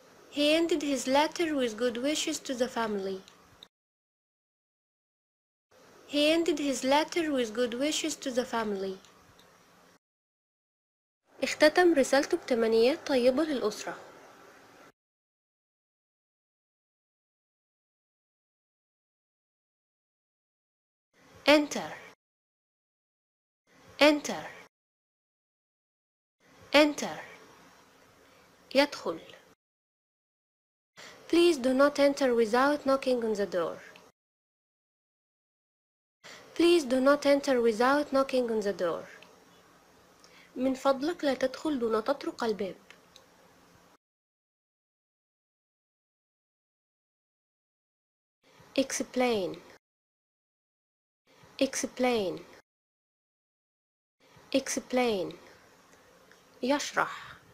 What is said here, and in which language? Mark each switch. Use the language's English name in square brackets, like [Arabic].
[English] He ended his letter with good wishes to the family. He ended his letter with good wishes to the family. [Arabic] اختتم رسالته بتمنيات طيبة للأسرة. [English] Enter enter enter [Arabic] يدخل. [English] Please do not enter without knocking on the door. Please do not enter without knocking on the door. [Arabic] من فضلك لا تدخل دون تطرق الباب. [English] Explain explain explain [Arabic] يشرح.